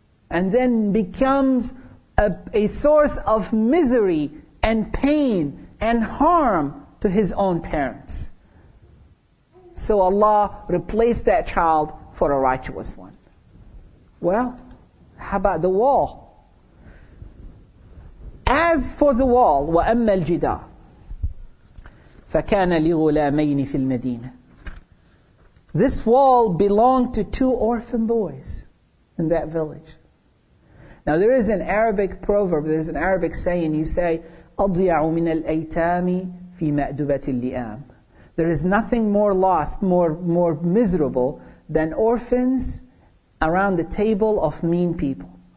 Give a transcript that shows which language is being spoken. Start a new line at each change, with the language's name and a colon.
English: And then becomes a source of misery and pain and harm to his own parents. So Allah replaced that child for a righteous one. Well, how about the wall? As for the wall,
Arabic: وَأَمَّا الْجِدَارِ فَكَانَ لِغُلَامَيْنِ فِي الْمَدِينَةِ.
English: This wall belonged to two orphan boys in that village. Now there is an Arabic proverb, there is an Arabic saying, you say,
Arabic: أَضْيَعُ مِنَ الْأَيْتَامِ في مأدبة اللئام.
English: There is nothing more lost, more miserable than orphans around the table of mean people.